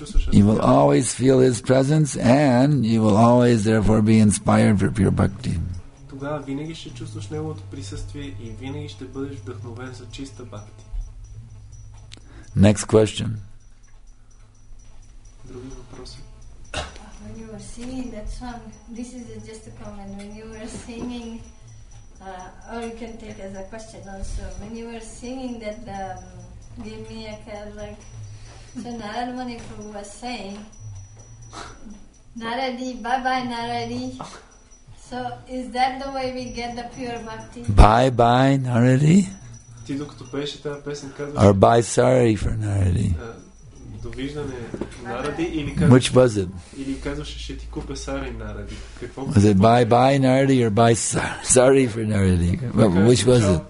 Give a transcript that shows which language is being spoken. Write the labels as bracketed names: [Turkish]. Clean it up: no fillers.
[English] You will always feel his presence and you will always therefore be inspired for pure bhakti. [Bulgarian] Тогава винаги ще чувстваш неговото присъствие и винаги ще бъдеш вдъхновен за чиста бхакти. [English] Next question. [Bulgarian] Други въпроси? [English] When you were singing that song, this is just a comment. When you were singing, or you can take as a question also. When you were singing that give me a Cadillac, so Narayani Prabhu was saying, Narayani, bye bye Narayani. So is that the way we get the pure bhakti? Bye bye Naradi. [Bulgarian] Ти докато пееш тази песен казваш. [English] Or bye sorry for Naradi. [Bulgarian] Довиждане Naradi или казваш. [English] Much was it? [Bulgarian] Или казваш ще ти купя сари Naradi. Какво? [English] Was it bye bye Naradi or bye sorry for Naradi? Well, which was it?